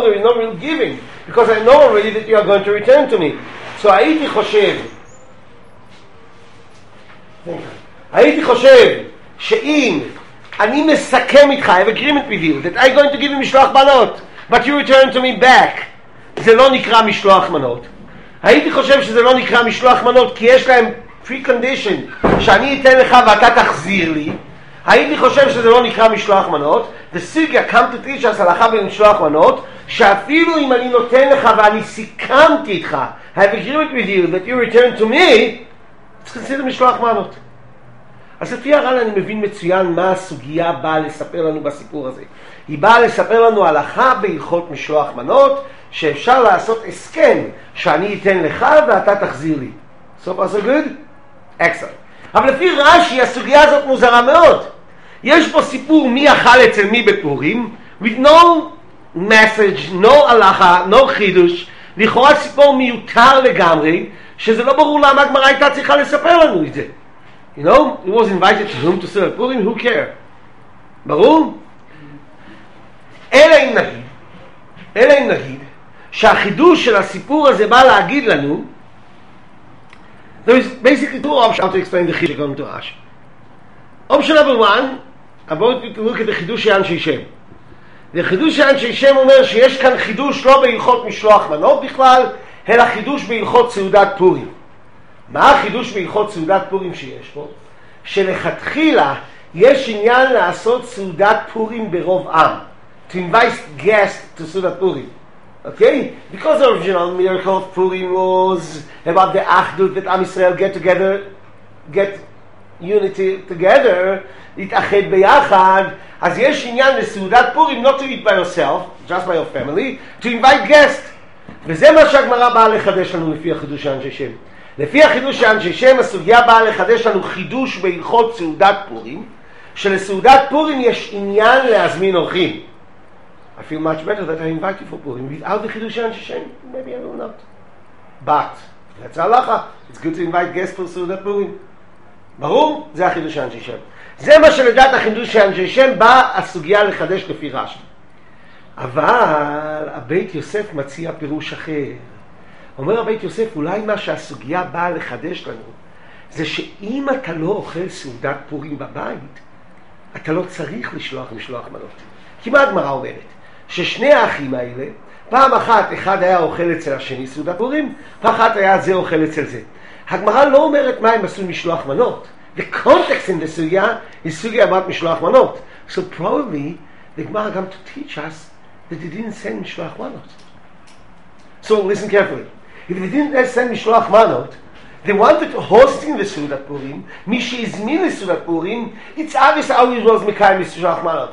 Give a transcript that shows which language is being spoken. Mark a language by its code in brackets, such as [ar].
[en] There is no real giving because I know already that you are going to return to me. So [he] הייתי חושב, הייתי חושב שאם אני מסכם איתך, [en] I have agreement with you that I'm going to give you משלוח מנות but you return to me back, [he] זה לא נקרא משלוח מנות. הייתי חושב שזה לא נקרא משלוח מנות כי יש להם precondition שאני אתן לך ואתה תחזיר לי. הייתי חושב שזה לא נקרא משלוח מנות. [en] The sugya come to teach us [he] הלכה במשלוח מנות שאפילו אם אני נותן לך ואני סיכמתי איתך, [en] I have agreement with you that you return to me, it's considered משלוח מנות. [he] אז לפי הר"ן אני מבין מצוין מה הסוגיה באה לספר לנו בסיפור הזה. היא באה לספר לנו הלכה בהלכות משלוח מנות, שאפשר לעשות הסכם שאני אתן לך ואתה תחזיר לי. [en] So far so good? Excellent. [he] אבל לפי רש"י הסוגיה הזאת מוזרה מאוד. יש פה סיפור מי אכל אצל מי בפורים, [en] with no message, [he] no הלכה, no חידוש, לכאורה סיפור מיותר לגמרי, שזה לא ברור למה הגמרא הייתה צריכה לספר לנו את זה. [en] You know, he was invited to whom to serve Purim, who care? [he] ברור? אלא אם נגיד, שהחידוש של הסיפור הזה בא להגיד לנו, [en] there is basically two options, how to explain the חידוש going to us. Option number one, about to look at the חידוש של אנשי שם. [he] The חידוש של אנשי שם אומר שיש כאן חידוש לא בהלכות משלוח מנות בכלל, אלא חידוש בהלכות סעודת פורים. מה החידוש בהלכות סעודת פורים שיש פה? שלכתחילה יש עניין לעשות סעודת פורים ברוב עם. [en] To invite guests to סעודת פורים. Okay? Because the original miracle of Purim was about the אחדות that עם ישראל get unity together, [he] להתאחד ביחד, אז יש עניין לסעודת פורים [en] not to eat by yourself, just by your family, to invite guests. [he] וזה מה שהגמרא באה לחדש לנו לפי החידוש של אנשי שם. לפי החידוש של אנשי שם, הסוגיה באה לחדש לנו חידוש בהלכות סעודת פורים, שלסעודת פורים יש עניין להזמין אורחים. [en] I feel much better that I invite you for Purim without the חידוש של אנשי שם. Maybe I will not. But, that's הלכה. It's good to invite guests for סעודת פורים. [he] ברור? זה החידוש של אנשי שם. זה מה שלדעת החידוש של אנשי שם באה הסוגיה לחדש לפי רש"י. אבל הבית יוסף מציע פירוש אחר. אומר הבית יוסף, אולי מה שהסוגיה באה לחדש לנו זה שאם אתה לא אוכל סעודת פורים בבית, אתה לא צריך לשלוח משלוח מנות, כי מה הגמרא אומרת? ששני האחים האלה, פעם אחת אחד היה אוכל אצל השני סעודת פורים, ואחת היה זה אוכל אצל זה. הגמרא לא אומרת מה הם עשו משלוח מנות. [en] The context in the sugya is sugya about mishloach manot. So probably the Gemara come to teach us that they didn't send mishloach manot. So listen carefully. If they didn't send mishloach manot, they wanted to host in the Sudat Purim, Mishi is mean in Sudat Purim, it's obvious how it was Mikai Mishloach Manot.